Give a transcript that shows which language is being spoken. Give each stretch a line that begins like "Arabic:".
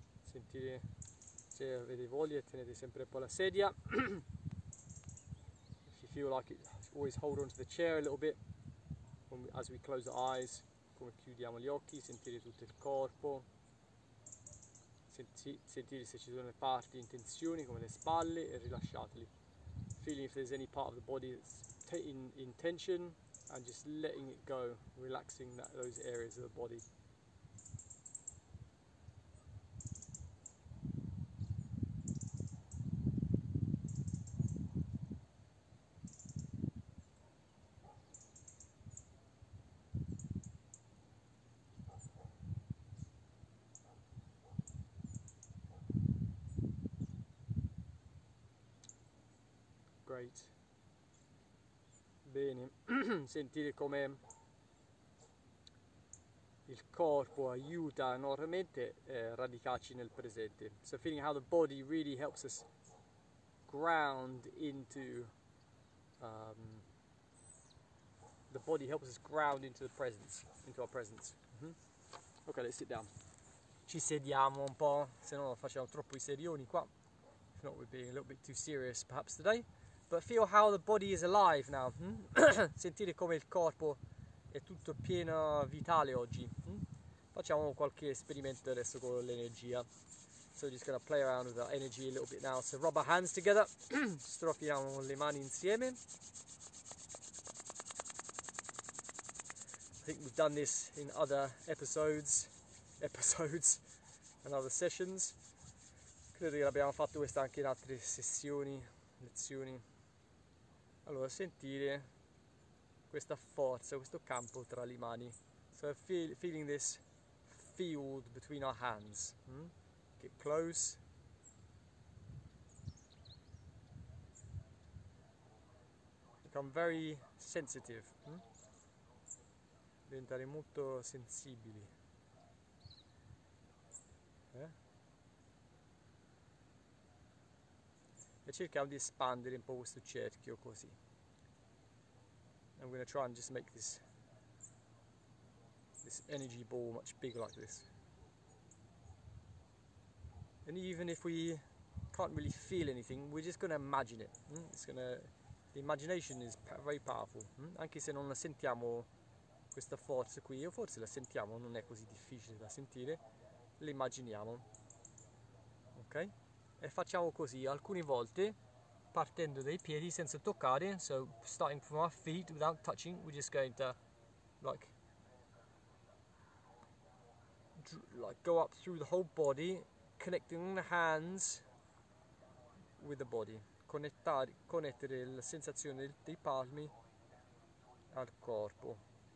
Italian: Sentire se avete voglia, tenete sempre un po' la sedia.
English: If you feel like it, always hold on to the chair a little bit as we close our eyes.
Italian: Come chiudiamo gli occhi, sentire tutto il corpo, sentire se ci sono le parti in tensione come le spalle, e rilasciateli.
English: Feeling if there's any part of the body that's in tension, and just letting it go, relaxing those areas of the body. Great.
Italian: Bene, sentire come il corpo aiuta enormemente a radicarci nel presente.
English: So feeling how the body really helps us ground into the body helps us ground into the presence, into our presence. Mm-hmm. Okay, let's sit down.
Italian: Ci sediamo un po', se no facciamo troppo i sedioni qua.
English: If not, we're being a little bit too serious perhaps today. But feel how the body is alive now.
Italian: Sentire come il corpo è tutto pieno vitale oggi. Facciamo qualche esperimento adesso con l'energia.
English: So we're just gonna play around with our energy a little bit now. So rub our hands together.
Italian: Strofiamo le mani insieme.
English: I think we've done this in other episodes and other sessions.
Italian: Credo che l'abbiamo fatto questa anche in altre lezioni. Allora, sentire questa forza, questo campo tra le mani.
English: So feeling this field between our hands. Get close. Become very sensitive.
Italian: Diventare molto sensibili. E cerchiamo di espandere un po' questo cerchio così.
English: I'm going to try and just make this energy ball much bigger like this. And even if we can't really feel anything, we're just going to imagine it. It's going to, the imagination is very powerful.
Italian: Anche se non la sentiamo questa forza qui, o forse la sentiamo, non è così difficile da sentire, l'immaginiamo. Ok? E facciamo così alcune volte, partendo dai piedi senza toccare.
English: So starting from our feet without touching, we're just going to like go up through the whole body, connecting the hands with the body,
Italian: connettere la sensazione dei palmi al corpo.